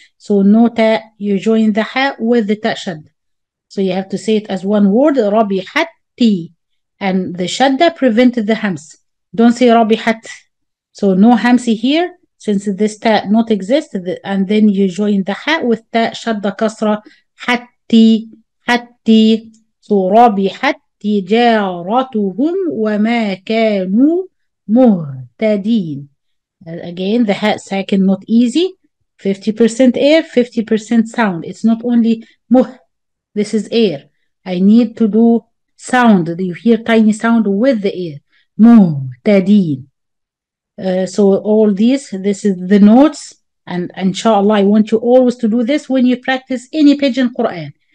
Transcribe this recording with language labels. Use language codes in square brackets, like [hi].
[en] So no تاء, you join the حاء with the تاء شد. So you have to say it as one word, ربيحتي. And the شدة prevented the همس. Don't say ربيحت. So no همس here. Since this تاء not exist, and then you join the حاء with تاء شد كسرة. [ar] حتي حتي. So ربيحت تجارتهم وما كانوا مهتدين. [en] Again, the ha ساكن not easy. 50% air, 50% sound. It's not only muh. This is air. I need to do sound. You hear tiny sound with the air. [ar] مهتدين. [en] So all these, this is the notes. And inshallah, I want you always to do this when you practice any page in Quran.